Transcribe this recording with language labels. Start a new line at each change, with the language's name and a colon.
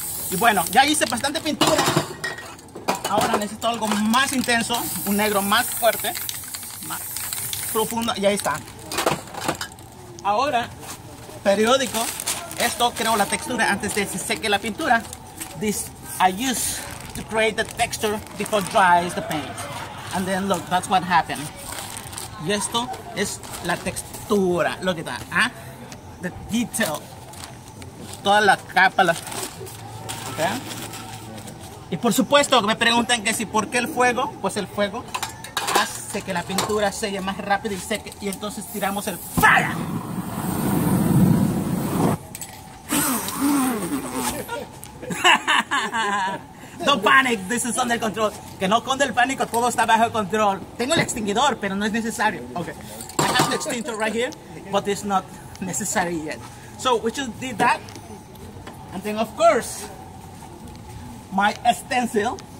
Spanish: Y bueno, ya hice bastante pintura. Ahora necesito algo más intenso, un negro más fuerte, más profundo. Y ahí está. Ahora, periódico. Esto creo la textura antes de que se seque la pintura.
English: This I use to create the texture before dries the paint. And then look, that's what happened.
Spanish: Y esto es la textura.
English: Look at that, ¿eh? The detail.
Spanish: Toda la capa, la... ¿Eh? Y por supuesto me preguntan que si por qué el fuego, pues el fuego hace que la pintura selle más rápido y seque, y entonces tiramos el fire.
English: Don't panic, this is under control.
Spanish: Que no conde el pánico, todo está bajo control. Tengo el extinguidor, pero no es necesario.
English: Okay, I have the extinguisher right here, but it's not necessary yet. So we just did that, and then of course my stencil.